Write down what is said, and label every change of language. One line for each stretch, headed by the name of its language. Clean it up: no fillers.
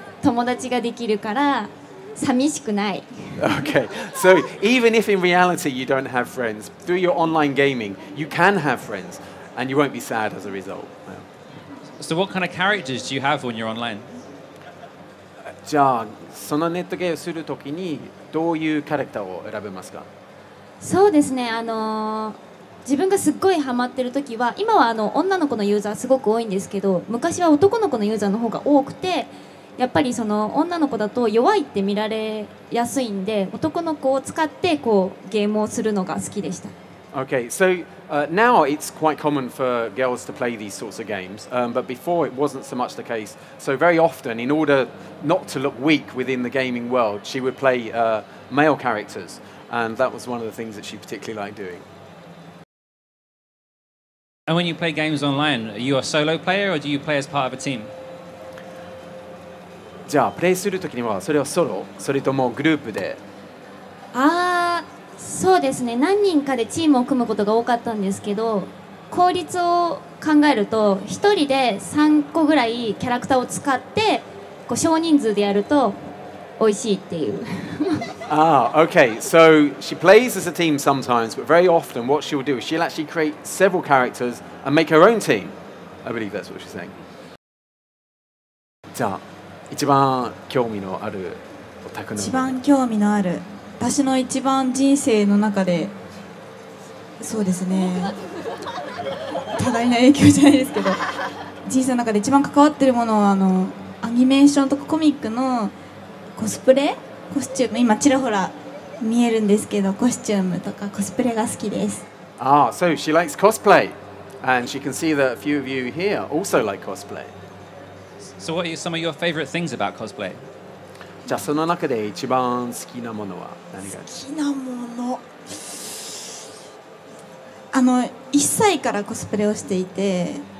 Japanese: じゃあ特にどういうところが好きですか、ネットゲーム。ネットゲームの良さっていうのは、現実に友達がいなくても、ネットの中で友達ができるから寂しくない。
English: Okay, so even if in reality you don't have friends, through your online gaming, you can have friends, and you won't be sad as a result. So what kind of characters do you have when you're online?
Japanese: じゃあ、そのネットゲームをするときにどういうキャラクターを選べますか? そうですね、自分がすっごいハマってるときは、今は女の子のユーザーすごく多いんですけど、昔は男の子のユーザーの方が多くて、やっぱりその女の子だと弱いって見られやすいんで、男の子を使ってこうゲームをするのが好きでした。
English: Okay, so、now it's quite common for girls to play these sorts of games,、but before it wasn't so much the case. So very often, in order not to look weak within the gaming world, she would play、male characters. And that was one of the things that she particularly liked doing. And when you play games online, are you a solo player or do you play as part of a team?
Japanese: じゃあプレイするときにはそれはソロそれともグループで、ああそうですね、何人かでチームを組むことが多かったんですけど、効率を考えると一人で3個ぐらいキャラクターを使ってこう少人数でやると美味しいっていう。
English: ああ、okay. So she plays as a team sometimes, but very often what she will do is she'll actually create several characters and make her own team. I believe that's what she's saying.
Japanese: じゃあ一番興味のあるオタクの一番興味のある私の一番人生の中でそうですね多大な影響じゃないですけど人生の中で一番関わってるものはあのアニメーションとかコミックのコスプレコスチューム今ちらほら見えるんですけどコスチュームとかコスプレが好きです。
English: ああ、so she likes cosplay and she can see that a few of you here also like cosplay. So what are some of your favorite things about cosplay?
Japanese: じゃあその中で一番好きなものは何が？好きなもの、あの1歳からコスプレをしていて、